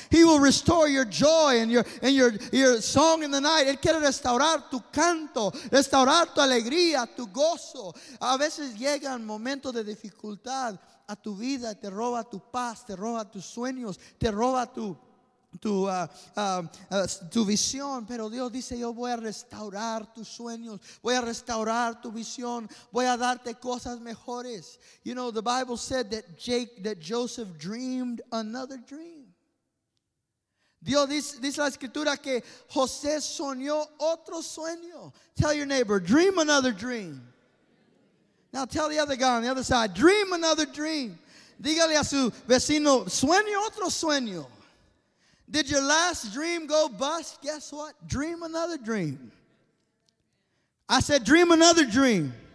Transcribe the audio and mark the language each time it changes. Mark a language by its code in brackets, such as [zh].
[en] He will restore your joy and your song in the night. [es] Él quiere restaurar tu canto, restaurar tu alegría, tu gozo. A veces llegan momentos de dificultad a tu vida, te roba tu paz, te roba tus sueños, te roba tu tu visión, pero Dios dice, yo voy a restaurar tus sueños, voy a restaurar tu visión, voy a darte cosas mejores. [en] You know, the Bible said that Joseph dreamed another dream. [es] Dios dice la escritura que José soñó otro sueño. [en] Tell your neighbor, dream another dream. Now tell the other guy on the other side, dream another dream. [es] Dígale a su vecino, sueño otro sueño. [en] Did your last dream go bust? Guess what? Dream another dream. I said, dream another dream.